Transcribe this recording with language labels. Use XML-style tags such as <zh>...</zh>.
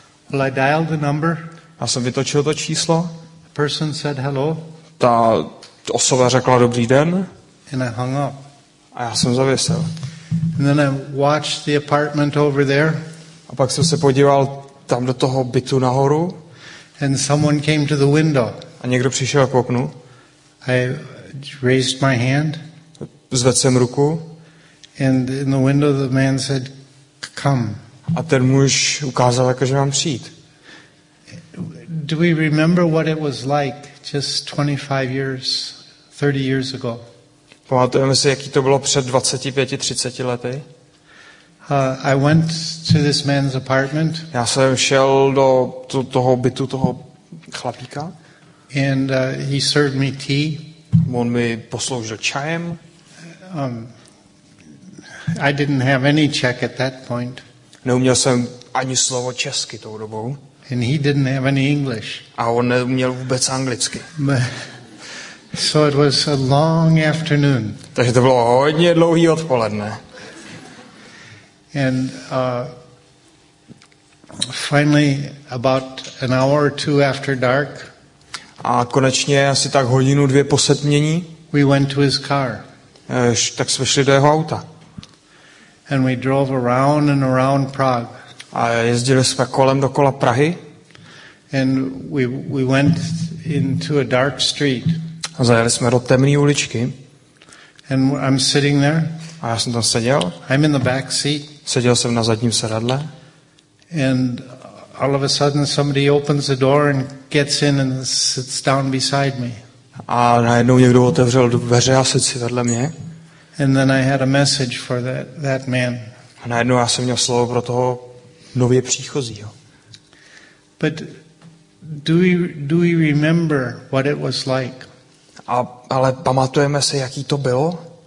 <en>Well, I dialed the number.</en> <cs>A jsem vytočil to číslo.</cs> <en>The person said hello.</en> <cs>Ta osoba řekla dobrý den.</cs> <en>And I hung up.</en> <cs>A já jsem zavěsil.</cs> <en>And then I watched the apartment over there.</en> <cs>A pak jsem se podíval tam do toho bytu nahoru.</cs> <en>And someone came to the window.</en> <cs>A někdo přišel k oknu.</cs> <en>I raised my hand.</en> <cs>Zvedl jsem ruku.</cs> <en>And in the window the man said, come.</en> <cs>A ten muž ukázal, že mám přijít.</cs> <en>Do we remember what it was like just 25 years, 30 years ago?</en> <cs>Pamatujeme si, jaký to bylo před 25, 30 lety?</cs> <en>I went to this man's apartment.</en> <cs>Já jsem šel do toho bytu toho chlapíka.</cs> <en>And he served me tea.</en> <cs>On mi posloužil čajem.</cs> <en>I didn't have any Czech at that point.</en> <cs>Neuměl jsem ani slovo česky tou dobou.</cs> <en>And he didn't have any English.</en> <cs>A on neuměl vůbec anglicky.</cs> <en>So it was a long afternoon.</en> <cs>Takže to bylo hodně dlouhý odpoledne.</cs> <en>And finally about an hour or two after dark.</en> <cs>A konečně asi tak hodinu dvě po setmění.</cs> <en>We went to his car.</en> <cs>Tak jsme šli do jeho auta.</cs> <en>And we drove around and around Prague.</en> <cs>A jezdili jsme kolem dokola Prahy.</cs> <en>And we went into a dark street.</en> <cs>A zajeli jsme do temné uličky.</cs> <en>And I'm sitting there.</en> <cs>A já jsem tam seděl.</cs> <en>I'm in the back seat.</en> <cs>Seděl jsem na zadním sedadle.</cs> <en>And all of a sudden somebody opens the door and gets in and sits down beside me.</en> <cs>A najednou někdo otevřel dveře a sedl si vedle mě.</cs> <en>And then I had a message for that man.</en> <cs>A najednou já jsem měl slovo pro toho nově příchozího.</cs> <en>But do we remember what it was like?</en> <cs>Ale pamatujeme se, jaký to bylo?</cs>